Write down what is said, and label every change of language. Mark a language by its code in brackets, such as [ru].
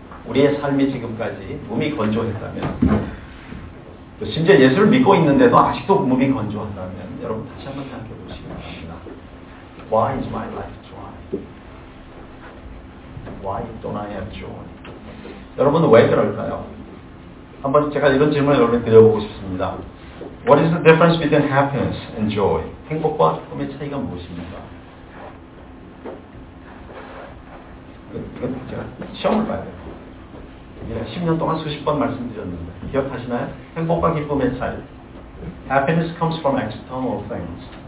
[ko] 우리의 삶이 지금까지 몸이 건조했다면 심지어 예수를 믿고 있는데도 아직도 몸이 건조한다면 여러분 다시 한번 생각해 보시기 바랍니다. [en] Why is my life dry? Why don't I have joy? [ko] 여러분 왜 그럴까요? 한번 제가 이런 질문을 여러분 드려보고 싶습니다. [en] What is the difference between happiness and joy? [ko] 행복과 기쁨의 차이가 무엇입니까? 이건 제가 시험을 봐야 돼요. 제가 10년 동안 수십 번 말씀드렸는데 기억하시나요? 행복과 기쁨의 차이. [en] Happiness comes from external things.